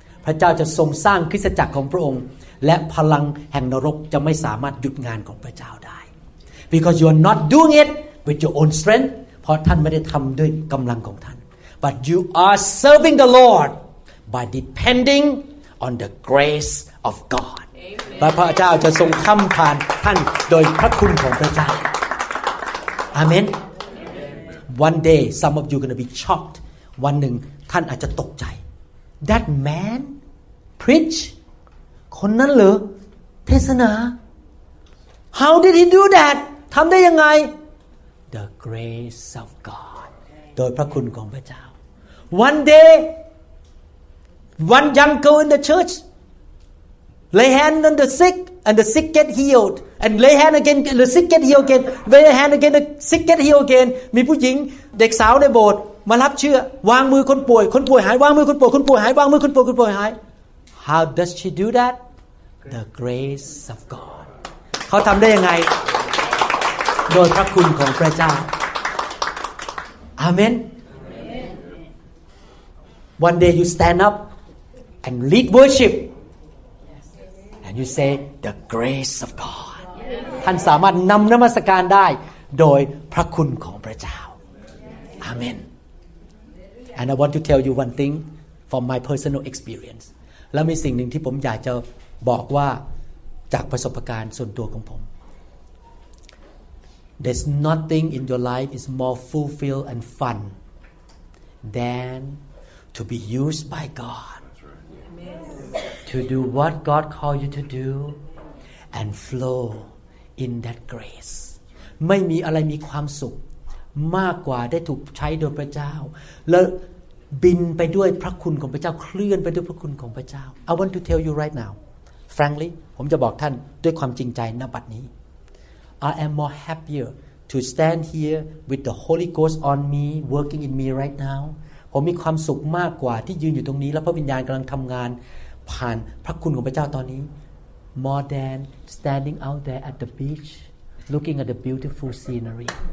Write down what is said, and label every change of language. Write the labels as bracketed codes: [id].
[th] พระเจ้าจะทรงสร้างคริสตจักรของพระองค์และพลังแห่งนรกจะไม่สามารถหยุดงานของพระเจ้าได้ [en] Because you are not doing it with your own strength. [th] เพราะท่านไม่ได้ทำด้วยกำลังของท่าน [en] But you are serving the Lord by depending on the grace of God. Amen. [th] พระเจ้าจะทรงทำผ่านท่านโดยพระคุณของพระเจ้า Amen. [en] One day, some of you are going to be shocked. [th] วันหนึ่งท่านอาจจะตกใจ [en] That man preach? [th] คนนั้นเหรอเทศนา [en] How did he do that? [th] ทำได้ยังไง [en] The grace of God. [th] โดยพระคุณของพระเจ้า [en] One day one young girl in the church lay hand on the sick and the sick get healed and lay hand again the sick get healed again lay hand again the sick get healed again [th] มีผู้หญิง เด็กสาวในโบสถ์มารับเชื่อวางมือคนป่วยคนป่วยหายวางมือคนป่วยคนป่วยหายวางมือคนป่วยคนป่วยหาย [en] How does she do that the grace of God [th] เขาทำได้ยังไงโดยพระคุณของพระเจ้าAmen. [en] Amen. One day you stand up and lead worship, and you say the grace of God. [th] ท่านสามารถนำนมัสการได้โดยพระคุณของพระเจ้า Amen. [en] And I want to tell you one thing from my personal experience. [th] และมีสิ่งหนึ่งที่ผมอยากจะบอกว่าจากประสบการณ์ส่วนตัวของผม [en] There's nothing in your life is more fulfilled and fun than to be used by God. To do what God called you to do and flow in that grace. [th] ไม่มีอะไรมีความสุขมากกว่าได้ถูกใช้โดยพระเจ้าแล้วบินไปด้วยพระคุณของพระเจ้าเคลื่อนไปด้วยพระคุณของพระเจ้า [en] I want to tell you right now. frankly [th] ผมจะบอกท่านด้วยความจริงใจณบัดนี้ [en] I am more happier to stand here with the Holy Ghost on me working in me right now [th] ผมมีความสุขมากกว่าที่ยืนอยู่ตรงนี้แล้วพระวิญญาณกำลังทำงานผ่านพระคุณของพระเจ้าตอนนี้ [en] more than standing out there at the beach looking at the beautiful scenery